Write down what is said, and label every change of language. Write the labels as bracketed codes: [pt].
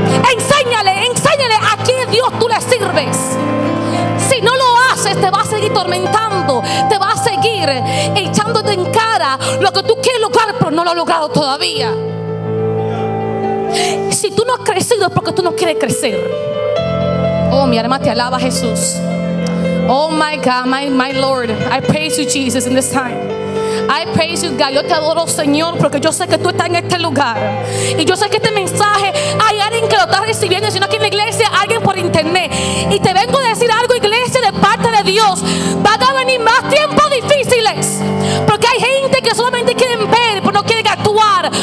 [es] Enséñale a qué Dios tú le sirves. Si no lo haces, te va a seguir tormentando, te va a seguir echándote en cara lo que tú quieres lograr, pero no lo has logrado todavía. Si tú no has crecido, es porque tú no quieres crecer. Oh, mi alma te alaba, Jesús. [en] Oh my God, my Lord, I praise you, Jesus, in this time. I praise you, God. [es] Yo te adoro, Señor, porque yo sé que tú estás en este lugar. Y yo sé que este mensaje, hay alguien que lo está recibiendo, sino aquí en la iglesia, alguien por internet. Y te vengo a decir algo, iglesia, de parte de Dios. Van a venir más tiempos difíciles. Porque hay gente que solamente quieren ver, pero no quieren actuar.